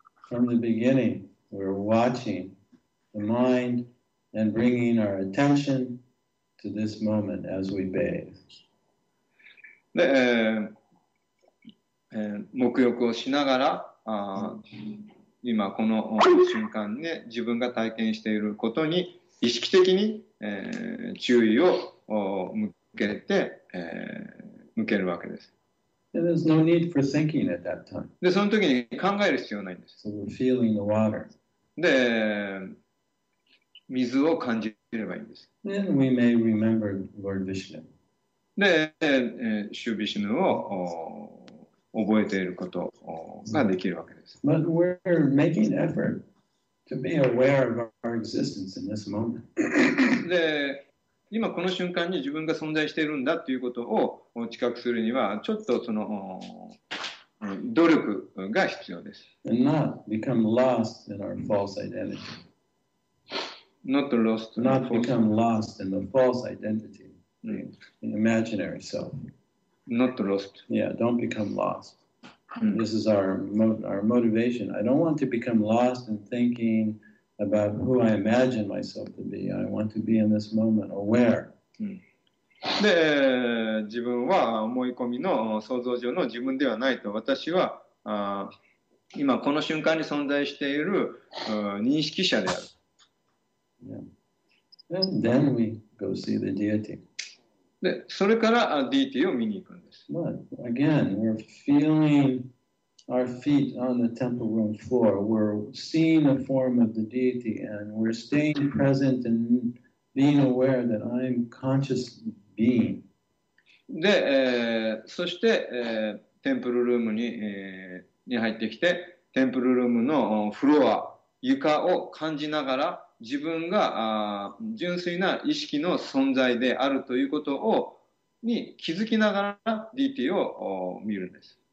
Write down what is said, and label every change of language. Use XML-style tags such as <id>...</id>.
<en>From the beginning, we're watching the mind and bringing our attention to this moment as we bathe.</en> <ja>で、沐浴をしながら、今この瞬間で自分が体験していることに意識的に注意を向けて向けるわけです。</ja> <en>There's no need for thinking at that time.</en> <ja>で、その時に考える必要ないんです。</ja> <en>So we're feeling the water.</en> <ja>で、水を感じればいいんです。</ja> <en>Then we may remember Lord Vishnu.</en> <ja>で、シュビシュヌを覚えていることができるわけです。</ja> <en>But we're making effort. To be aware of our existence in this moment.</en> <ja>で、今この瞬間に自分が存在しているんだということを知覚するには、ちょっとその努力が必要です。</ja> <en>And not become lost in our false identity. Not lost. Not become lost in the false identity, the imaginary self. Not lost. Yeah, don't become lost. This is our motivation. I don't want to become lost in thinking about who I imagine myself to be. I want to be in this moment aware.</en> <ja>で、自分は思い込みの想像上の自分ではないと。私は今この瞬間に存在している認識者である。</ja> <en>Yeah. And then we go see the deity.</en> <ja>で、それからディーティを見に行くんです。</ja> <en>But again, we're feeling our feet on the temple room floor. We're seeing a form of the deity and we're staying present and being aware that I'm conscious being.</en> <ja>で、そして、テンプルルームに、に入ってきて、テンプルルームのフロア、床を感じながら自分が純粋な意識の存在であるということをに気づきながら DT を見るんです。</ja>